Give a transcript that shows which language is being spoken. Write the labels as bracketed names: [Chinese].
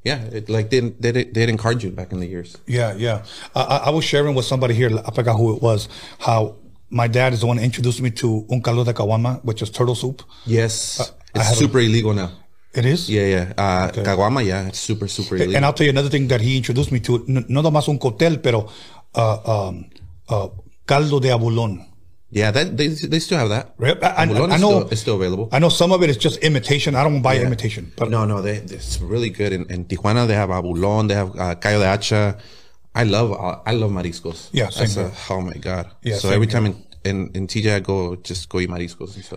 [English] Yeah, they didn't card you back in the years. Yeah, yeah. I was sharing with somebody here, I forgot who it was, how my dad is the one who introduced me to [Spanish] un caldo de caguama, [English] which is turtle soup. Yes. It's super illegal now. It is? Yeah, yeah. Caguama, yeah. It's super, super illegal. And I'll tell you another thing that he introduced me to. [Spanish] No nomás un cotel, pero caldo de abulón. [English] Yeah, they still have that. Right? I know it's still available. I know some of it is just imitation. I don't buy imitation. But No, it's really good. In Tijuana, they have abulón. They have cayo de hacha. I love mariscos. Yeah, same. Oh my God. Yeah, so every time in TJ, I just go eat mariscos. So.